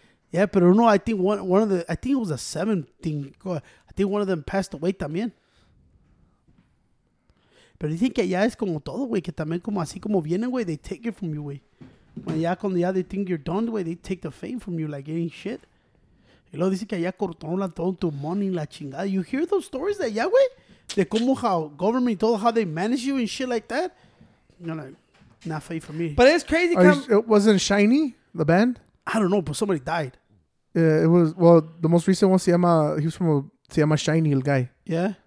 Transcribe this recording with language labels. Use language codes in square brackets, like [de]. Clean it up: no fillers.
[en] Yeah, pero no, I think it was a seven thing. I think one of them passed away también. [es] Pero dicen que allá es como todo, güey, que también como así como vienen, güey, [en] they take it from you, [es] güey. Allá cuando ya [en] they think you're done, güey, they take the fame from you, like, ain't shit. [es] Y luego dicen que allá cortaron todo tu money, la chingada. [en] You hear those stories [es] de allá, [en] güey? [es] De cómo [en] how government told how they manage you and shit like that? You know, like, not fame for me. But it's crazy. It wasn't Shiny, the band? I don't know, but somebody died. Yeah, it was. Well, the most recent one, he was from Shiny, the guy. Yeah?